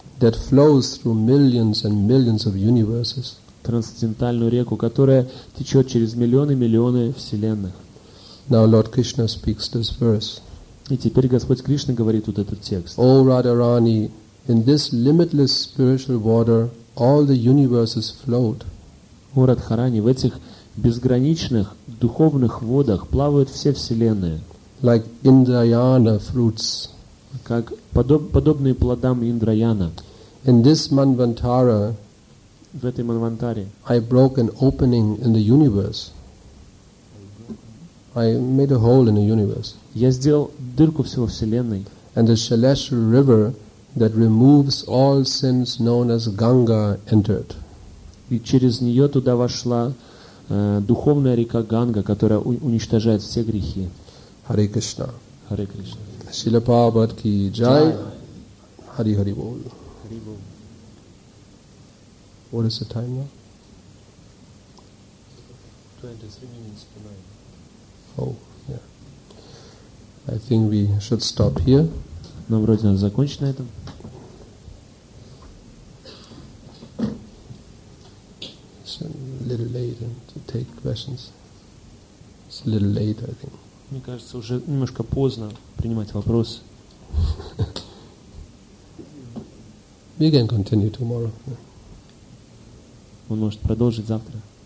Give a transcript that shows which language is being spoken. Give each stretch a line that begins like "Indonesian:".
English: That flows through millions and millions of universes.
Russian: Трансцендентальную реку, которая течет через миллионы и миллионы вселенных.
English: Now Lord Krishna speaks this verse.
Russian: И теперь Господь Кришна говорит вот этот текст.
English: O Radharani, in this limitless spiritual water, all the universes float.
Russian: О Радхарани, в этих безграничных духовных водах плавают все вселенные.
English: Like Indrayana fruits.
Russian: Как подобные плодам Индраяна.
English: In this manvantara,
Russian: в этой манвантаре,
English: I broke an opening in the universe. I made a hole in the universe.
Russian: Я сделал дырку всего вселенной.
English: And the Shaleshwar river that removes all sins known as Ganga entered.
Russian: И через нее туда вошла духовная река Ганга, которая уничтожает все грехи.
Sanskrit: Hare Krishna. Hare Krishna.
Hindi: Srila Prabhupada ki jai. Hari Hari Bol. Hari Bol.
English: What is the time now? 23 minutes to 9. Oh, yeah. I think we should stop here.
Russian: Нам вроде надо закончить на этом.
English: It's a little late to take questions. It's a little late, I think.
Russian: Мне кажется, уже немножко поздно принимать вопрос.
English: We can continue tomorrow.
Russian: Он может продолжить завтра.